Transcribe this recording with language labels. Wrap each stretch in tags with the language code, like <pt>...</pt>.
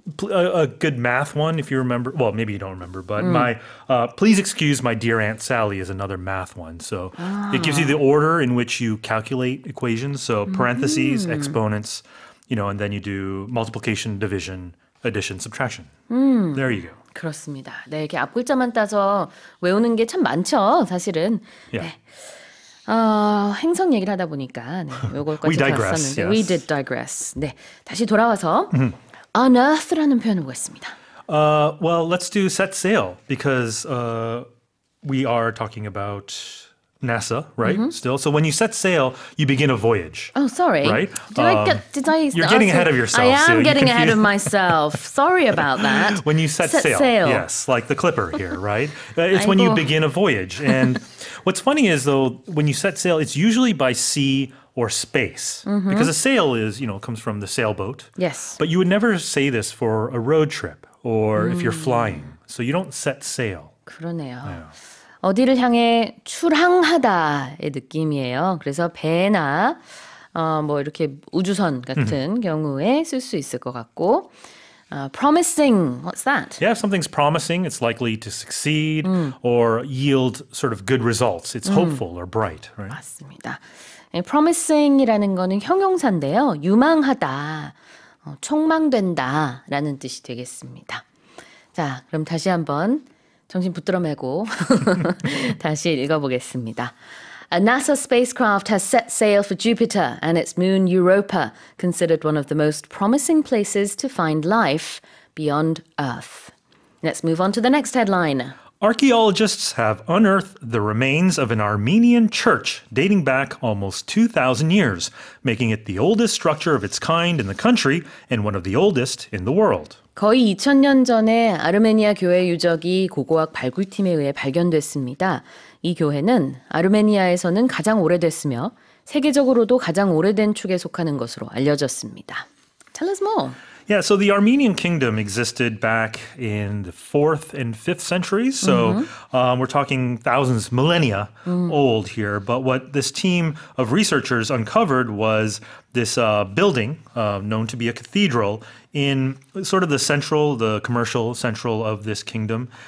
<en>A good math one, if you remember. Well, maybe you don't remember, but my Please Excuse My Dear Aunt Sally is another math one. So it gives you the order in which you calculate equations. So parentheses, exponents, you know, and then you do multiplication, division, addition, subtraction. There you go.</en> <ko>그렇습니다. 네, 이렇게 앞글자만 따서 외우는 게 참 많죠, 사실은.</ko> <en>Yeah.</en> <ko>네. 행성 얘기를 하다 보니까 네, 요걸까지 봤었는데</ko> <en>yes. We did digress.</en> <ko>네, 다시 돌아와서 unearthed라는 표현을 보겠습니다.</ko> <en>Well, let's do set sail because we are talking about NASA, right? Mm-hmm. Still. So when you set sail, you begin a voyage. Oh, sorry. Right? You're getting ahead of yourself. I am Sue. Getting ahead of myself. Sorry about that. When you set sail. Yes, like the clipper here, right? It's when you begin a voyage. And what's funny is, though, when you set sail, it's usually by sea or space. Mm-hmm. Because a sail is, you know, comes from the sailboat. Yes. But you would never say this for a road trip or if you're flying. So you don't set sail.</en> <ko>그러네요.</ko> <en>Yeah.</en> <ko>어디를 향해 출항하다의 느낌이에요. 그래서 배나 뭐 이렇게 우주선 같은 경우에 쓸 수 있을 것 같고</ko> <en>Promising, what's that? Yeah, if something's promising, it's likely to succeed or yield sort of good results. It's hopeful or bright, right?</en> <ko>맞습니다. Promising이라는 거는 형용사인데요. 유망하다, 촉망된다라는 뜻이 되겠습니다. 자, 그럼 다시 한번 정신 붙들어 매고 다시 읽어보겠습니다.</ko> <en>A NASA spacecraft has set sail for Jupiter and its moon Europa, considered one of the most promising places to find life beyond Earth. Let's move on to the next headline. Archaeologists have unearthed the remains of an Armenian church dating back almost 2,000 years, making it the oldest structure of its kind in the country and one of the oldest in the world.</en> <ko>거의 2,000년 전에 아르메니아 교회 유적이 고고학 발굴팀에 의해 발견됐습니다. 이 교회는 아르메니아에서는 가장 오래됐으며 세계적으로도 가장 오래된 축에 속하는 것으로 알려졌습니다.</ko> <en>Tell us more. Yeah, so the Armenian kingdom existed back in the 4th and 5th centuries. So we're talking thousands, millennia old here. But what this team of researchers uncovered was this building known to be a cathedral in sort of the central, the commercial central of this kingdom.</en>